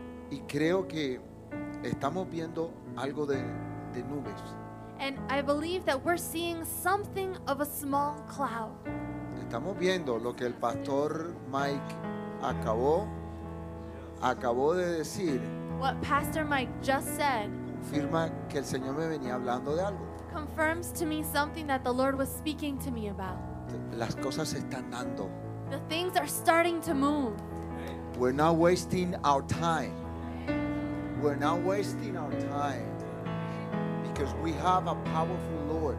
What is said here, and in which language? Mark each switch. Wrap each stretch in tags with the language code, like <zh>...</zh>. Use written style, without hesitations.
<es>Y creo que estamos viendo algo de nubes.</es> <en>And I believe that we're seeing something of a small cloud.</en> <es>Estamos viendo lo que el pastor Mike acabó de decir.</es> <en>What Pastor Mike just said</en> <es>confirma que el Señor me venía hablando de algo.</es> <en>Confirms to me something that the Lord was speaking to me about.</en> <es>Las cosas están dando.</es> <en>The things are starting to move. We're not wasting our time. We're not wasting our time. Because we have a powerful Lord.</en>